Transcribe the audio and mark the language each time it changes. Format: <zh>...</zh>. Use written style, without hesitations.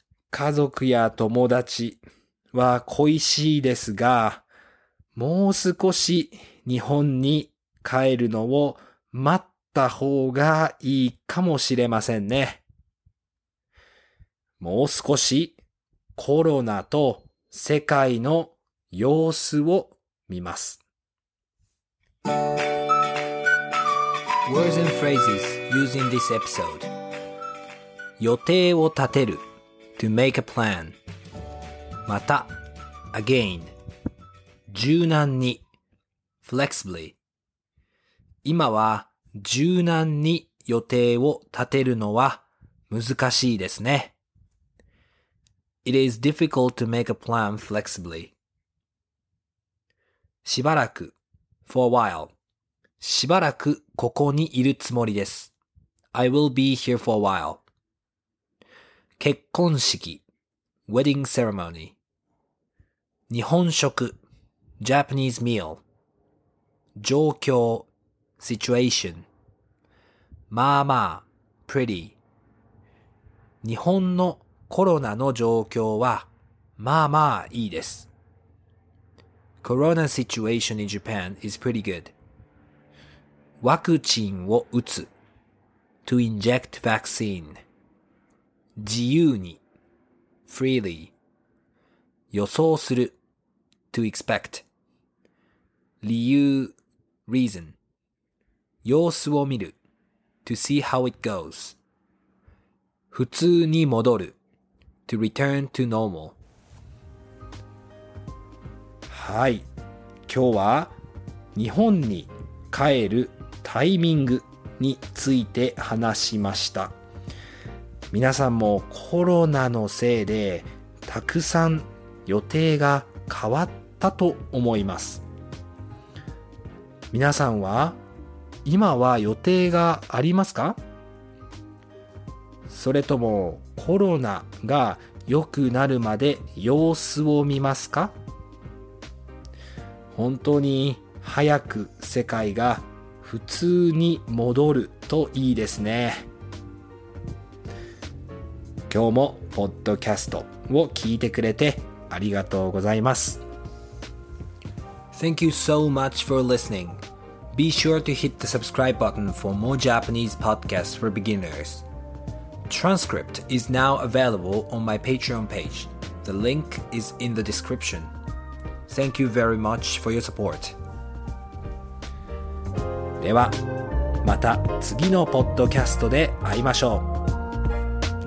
<ja>家族や友達は恋しいですが、もう少し日本に帰るのを待った方がいいかもしれませんね。もう少しコロナと世界の様子を見ます。</ja> <en>Words and phrases used in this episode. 予定を立てる to make a plan. また again.</en> <ja>柔軟に flexibly. 今は柔軟に予定を立てるのは難しいですね。</ja> <en>It is difficult to make a plan flexibly. しばらく for a while.</en> <ja>しばらくここにいるつもりです。</ja> <en>I will be here for a while. 結婚式 wedding ceremony. 日本食 Japanese meal. 状況 situation. まあまあ pretty.</en> <ja>日本のコロナの状況はまあまあいいです。</ja> <en>Corona situation in Japan is pretty good. ワクチンを打つ to inject vaccine 自由に freely 予想する to expect 理由 reason 様子を見る to see how it goes 普通に戻る to return to normal</en> <ja>はい、今日は日本に帰るタイミングについて話しました。皆さんもコロナのせいでたくさん予定が変わったと思います。皆さんは今は予定がありますか？それともコロナが良くなるまで様子を見ますか？本当に早く世界が普通に戻るといいですね。今日もポッドキャストを聞いてくれてありがとうございます。</ja> <en>Thank you so much for listening. Be sure to hit the subscribe button for more Japanese podcasts for beginners. Transcript is now available on my Patreon page. The link is in the description. Thank you very much for your support.</en> <ja>ではまた次のポッドキャストで会いましょう。</ja>